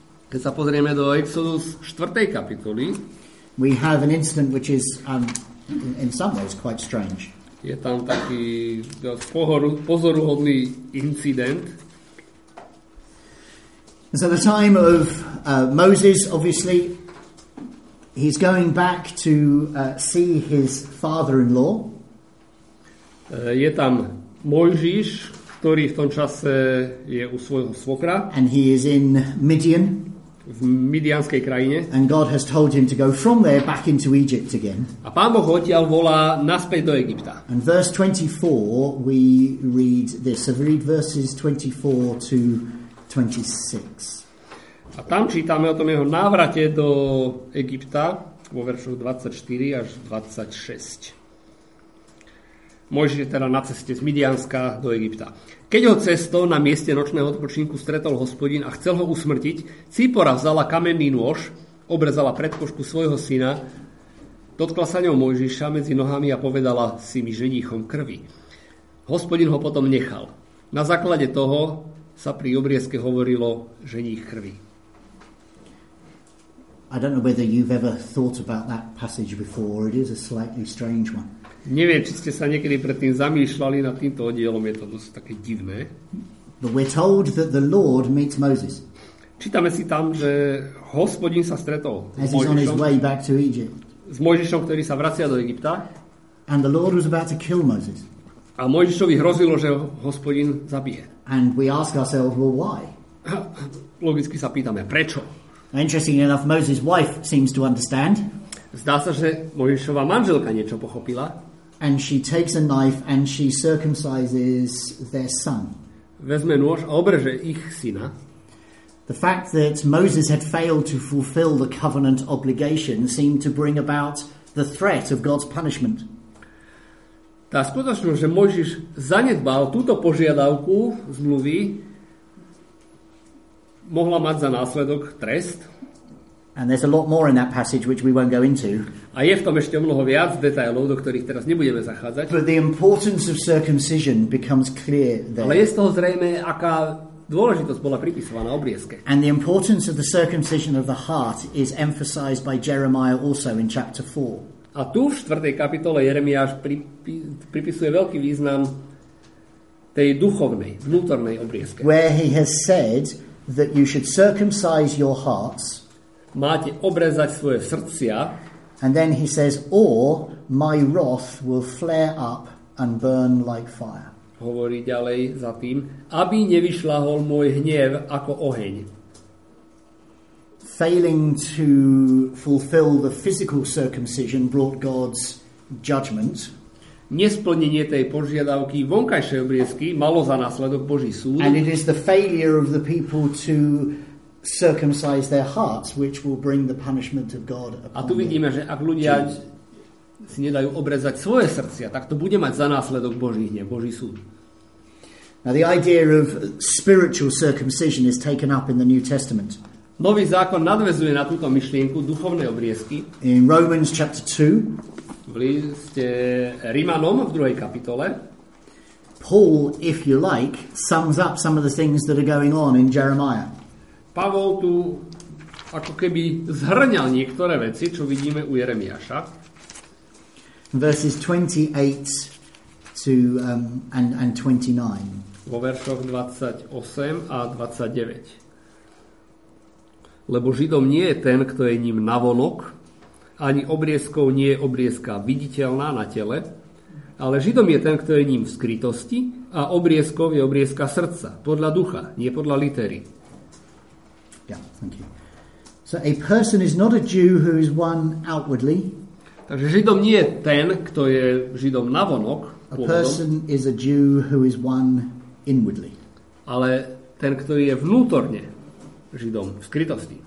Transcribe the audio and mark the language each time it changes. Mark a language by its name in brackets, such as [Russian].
[Slovak] keď sa pozrieme do Exodus 4. kapitoly, [English] we have an incident which is in some ways quite strange. [Slovak] Je tam taký pozoruhodný incident. [English] So the time of Moses, obviously, he's going back to see his father-in-law. [Slovak] Je tam Mojžiš, ktorý v tom čase je u svojho svokra. [English] And he is in Midian. [Slovak] V midianskej krajine. [English] And God has told him to go from there back into Egypt again. [Slovak] A Pán Boh odtiaľ volá naspäť do Egypta. [English] And verse 24, we read this. So we read verses 24 to 26. [Slovak] A tam čítame o tom jeho návrate do Egypta vo veršoch 24 až 26. Mojžiš je teda na ceste z Midianska do Egypta. Keď ho cesto na mieste nočného odpočinku stretol Hospodin a chcel ho usmrtiť, Cípora vzala kamenný nôž, obrezala predkošku svojho syna, dotkla sa ňou Mojžiša medzi nohami a povedala si mi ženichom krvi. Hospodin ho potom nechal. Na základe toho sa pri obriezke hovorilo ženich krvi. [English] I don't know whether you've ever thought about that passage before. It is a slightly strange one. [Slovak] Neviem, či ste sa niekedy predtým zamýšľali nad týmto oddielom, je to dosť také divné. [English] But we're told that the Lord meets Moses. [Slovak] Čítame si tam, že Hospodin sa stretol s Mojžišom. [English] On his way back to Egypt. [Slovak] S Mojžišom, ktorý sa vracia do Egypta. [English] And the Lord was about to kill Moses. [Slovak] A Mojžišovi hrozilo, že Hospodin zabije. [English] And we ask ourselves, well, why? [Slovak] Logicky sa pýtame, prečo? [English] Interesting enough, Moses' wife seems to understand. [Slovak] Zdá sa, že Mojžišova manželka niečo pochopila. [English] And she takes a knife and she circumcises their son. [Slovak] Vezme nôž a obreže ich syna. [English] The fact that Moses had failed to fulfill the covenant obligation seemed to bring about the threat of God's punishment. [Slovak] Tá skutočnosť, že Mojžiš zanedbal túto požiadavku zmluvy, mohla mať za následok trest. [English] And there's a lot more in that passage which we won't go into. [Slovak] A je v tom ešte mnoho viac detailov, do ktorých teraz nebudeme zachádzať. [English] But the importance of circumcision becomes clear there. [Slovak] Ale je z toho zrejme, aká dôležitosť bola pripisovaná obriezke. [English] And the importance of the circumcision of the heart is emphasized by Jeremiah also in chapter 4. [Slovak] A tu v 4. kapitole Jeremiáš pripisuje veľký význam tej duchovnej, vnútornej obriezke. [English] Where he has said that you should circumcise your hearts. [Slovak] Máte obrezať svoje srdcia. [English] And then he says, or my wrath will flare up and burn like fire. [Slovak] Hovorí ďalej za tým, aby nevyšľahol môj hnev ako oheň. [English] Failing to fulfill the physical circumcision brought God's judgment. [Slovak] Nesplnenie tej požiadavky vonkajšej obriezky malo za následok Boží súd. [English] And it is the failure of the people to circumcise their hearts, which will bring the punishment of God upon them. [Slovak] A tu vidíme, že ak ľudia si nedajú obrezať svoje srdcia, tak to bude mať za následok Boží hnev, Boží súd. [English] Now the idea of spiritual circumcision is taken up in the New Testament. [Slovak] Nový zákon nadväzuje na túto myšlienku duchovnej obriezky. [English] In Romans chapter 2, [Slovak] v liste Rimanom v 2. kapitole, [English] Paul, if you like, sums up some of the things that are going on in Jeremiah. [Slovak] Pavol tu ako keby zhrňal niektoré veci, čo vidíme u Jeremiáša. [English] Verses 28 to and 29. [Slovak] Vo veršoch 28 a 29. Lebo Židom nie je ten, kto je ním navonok, ani obriezkou nie je obriezka viditeľná na tele, ale Židom je ten, kto je ním v skrytosti, a obriezkou je obriezka srdca, podľa ducha, nie podľa litery. [English] Yeah, thank you. So a person is not a Jew who is one outwardly. [Slovak] Takže Židom nie je ten, kto je Židom navonok. [English] A person is a Jew who is one inwardly. [Slovak] Ale ten, kto je vnútorne Židom v skrytosti.